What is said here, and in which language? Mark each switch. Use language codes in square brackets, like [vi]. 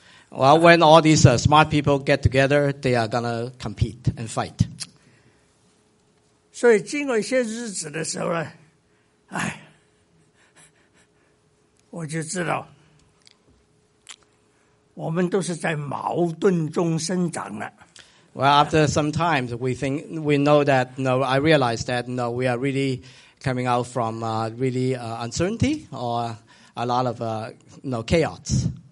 [en] Well, when all these smart people get together, they are going to compete and fight. [zh] So, 经过一些日子的时候呢，哎，我就知道，我们都是在矛盾中生长了。Well, [en] after some time, I realize that we are really coming out from uncertainty or a lot of chaos.